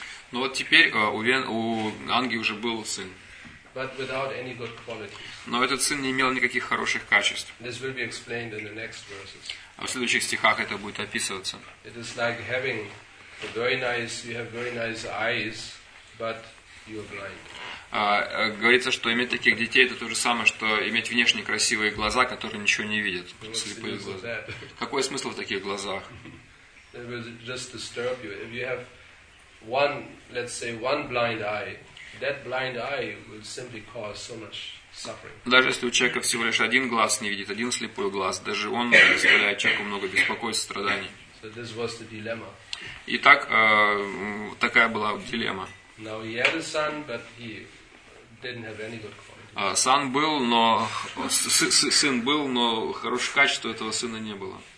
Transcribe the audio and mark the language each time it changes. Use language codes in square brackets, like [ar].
[ru] Но вот теперь у Анги уже был сын. [en] But without any good qualities. [ru] Но этот сын не имел никаких хороших качеств. [en] This will be explained in the next verses. [ru] В следующих стихах это будет описываться. [en] It is like having a very nice, you have very nice eyes, but you are blind. [ru] Говорится, что иметь таких детей это то же самое, что иметь внешне красивые глаза, которые ничего не видят. Слепые глаза. Какой смысл в таких глазах? [en] It will just disturb you. If you have one, let's say, one blind eye. That blind eye will simply cause so much suffering. [ru] Даже если у человека всего лишь один глаз не видит, один слепой глаз, даже он доставляет человеку много беспокойств, страданий. [en] So this was the dilemma. [ru] Итак, такая была дилемма. [en] Now he had a son, but he didn't have any good qualities. [ru] Сын был, но сын был, но хороших качеств этого сына не было.